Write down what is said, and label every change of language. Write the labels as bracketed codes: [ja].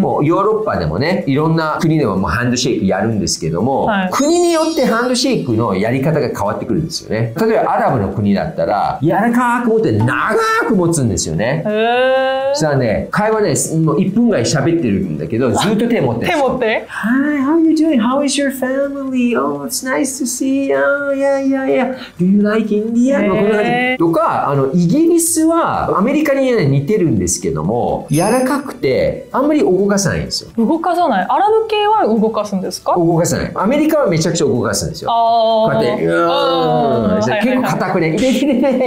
[ja] もうヨーロッパでもね、いろんな国でもハンドシェイクやるんですけども、はい、国によってハンドシェイクのやり方が変わってくるんですよね。例えばアラブの国だったら柔らかく持って長く持つんですよね。そしたらね、会話ね、もう1分ぐらい喋ってるんだけどずっと手持ってる。手持って、 [en] Hi, how are you doing? How is yourfamily, oh, it's nice to see you. Oh, yeah, yeah, yeah. Do you like India? [ja] こんな感じとか、あの、イギリスはアメリカに似てるんですけども、柔らかくてあんまり動かさないんですよ。動かさない。アラブ系は動かすんですか？動かさない。アメリカはめちゃくちゃ動かすんですよ。あ、こうやって、結構硬くね、イギリスみたいな、